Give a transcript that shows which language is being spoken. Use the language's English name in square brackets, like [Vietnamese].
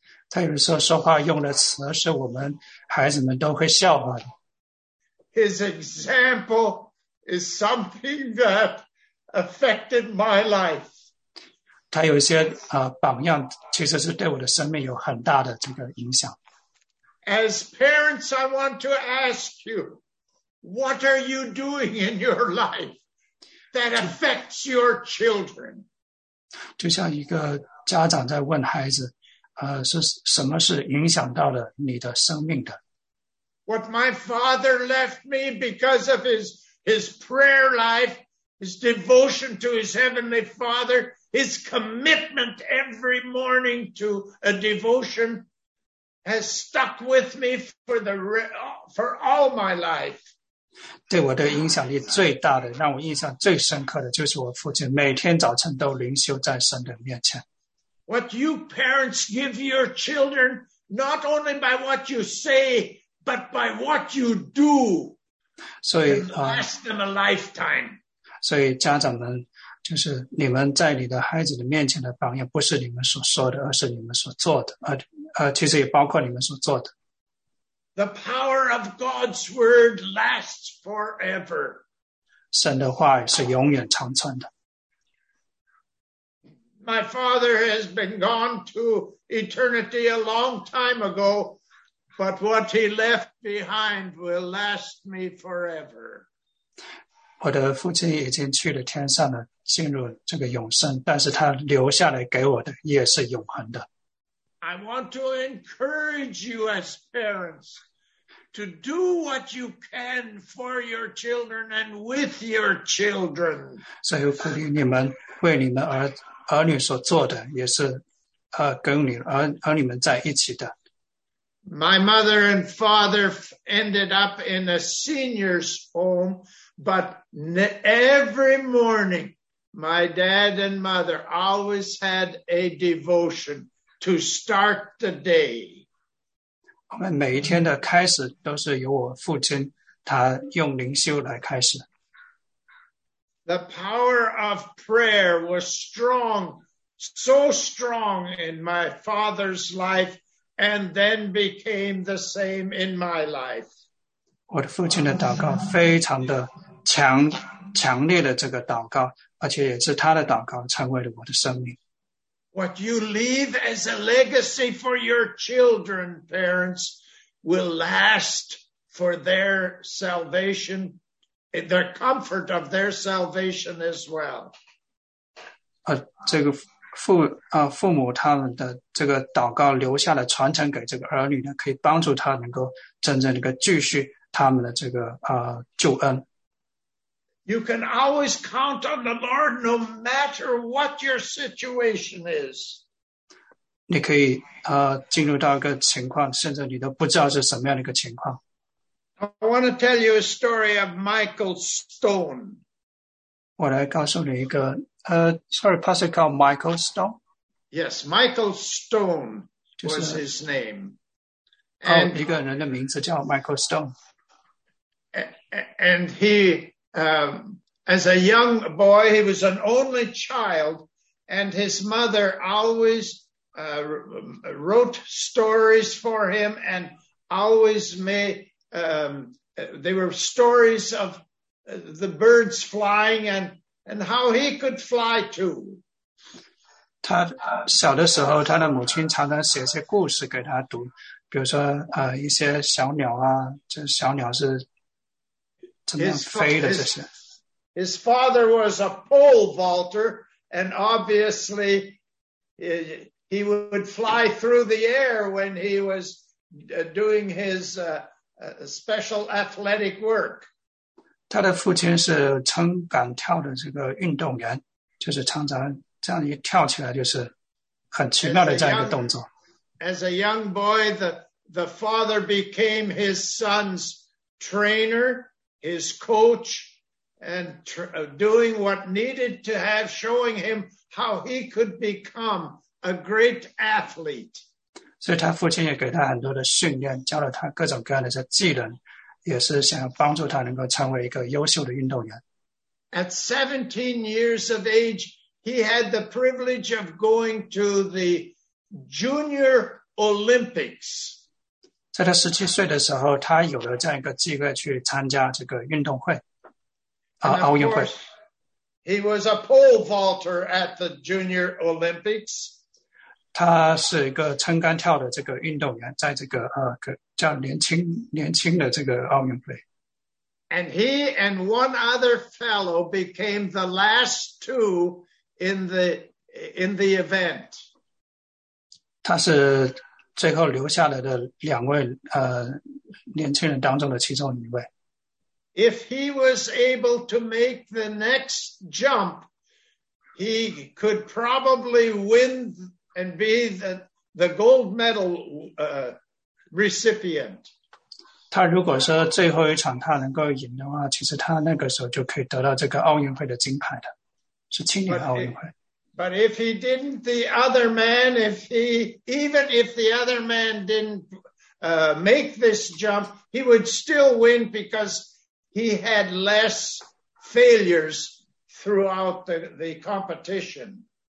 [Chinese] 他有时候说话用的词是我们孩子们都会笑话的。 [English] His example is something that affected my life. [Chinese] 他有一些榜样其实是对我的生命有很大的这个影响。 [English] As parents, I want to ask you, what are you doing in your life that affects your children? [Chinese] 就像一个家长在问孩子是什么是影响到了你的生命的。 [English] What my father left me because of his prayer life, his devotion to his heavenly father,His commitment every morning to a devotion has stuck with me for all my life. [Chinese] 对我的影响力最大的，让我印象最深刻的，就是我父亲每天早晨都灵修在神的面前。 [English] What you parents give your children, not only by what you say, but by what you do, can last them a lifetime. [Chinese] 所以家长们就是你们在你的孩子的面前的榜样，不是你们所说的，而是你们所做的，其实也包括你们所做的。 [English] The power of God's word lasts forever. [Chinese] 神的话是永远长存的。 [English] My father has been gone to eternity a long time ago, but what he left behind will last me forever. [Chinese] 我的父亲已经去了天上了。进入这个永生，但是他留下来给我的也是永恒的。 [English] I want to encourage you as parents to do what you can for your children and with your children. [Chinese] 所以鼓励你们为你们儿女所做的，也是跟你儿女们在一起的。 [English] My mother and father ended up in a senior's home, but every morning. My dad and mother always had a devotion to start the day. [Chinese] 我们每一天的开始都是由我父亲他用灵修来开始。 [English] The power of prayer was strong, so strong in my father's life, and then became the same in my life. [Chinese] 我的父亲的祷告非常的强烈的这个祷告。而且也是他的祷告成为了我的生命。 [English] What you leave as a legacy for your children, parents, will last for their salvation, the comfort of their salvation as well. [Chinese] 这个父母他们的这个祷告留下来传承给这个儿女呢，可以帮助他能够真正的一个继续他们的这个救恩。 [English] You can always count on the Lord no matter what your situation is. [Chinese] 你可以进入到一个情况，甚至你都不知道是什么样的一个情况。 [English] I want to tell you a story of Michael Stone. [Chinese] 我来告诉你一个 [English] sorry, Pastor called Michael Stone? Yes, Michael Stone was his name. [Chinese] 哦，一个人的名字叫 Michael Stone. [English] And he, as a young boy, he was an only child, and his mother always wrote stories for him and always made they were stories of the birds flying and how he could fly too. [Chinese] 他小的时候，他的母亲常常写些故事给他读，比如说一些小鸟啊，这小鸟是怎么样飞的这些。 [English] His father was a pole vaulter, and obviously he would fly through the air when he was doing his special athletic work. [Chinese] 他的父亲是撑杆跳的这个运动员，就是常常这样一跳起来，就是很奇妙的这样一个动作。 [English] As a young boy, the father became his son's trainer, his coach, and doing what needed to have, showing him how he could become a great athlete. [Chinese] 所以他父亲也给他很多的训练，教了他各种各样的这技能，也是想要帮助他能够成为一个优秀的运动员。 [English] At 17 years of age, he had the privilege of going to the Junior Olympics. [Chinese] 在他17岁的时候，他有了这样一个机会去参加这个运动会，奥运会。 [English] He was a pole vaulter at the Junior Olympics. [Chinese] 他是一个撑杆跳的这个运动员，在这个叫年轻的这个奥运会。 [English] And he and one other fellow became the last two in the event. [Chinese] 他是最后留下来的两位年轻人当中的其中一位。 [English] If he was able to make the next jump, he could probably win and be the gold medal recipient. [Chinese] 他如果说最后一场他能够赢的话，其实他那个时候就可以得到这个奥运会的金牌的，是青年奥运会。 [English] But if he didn't, the other man, even if the other man didn't make this jump, he would still win because he had less failures throughout the competition.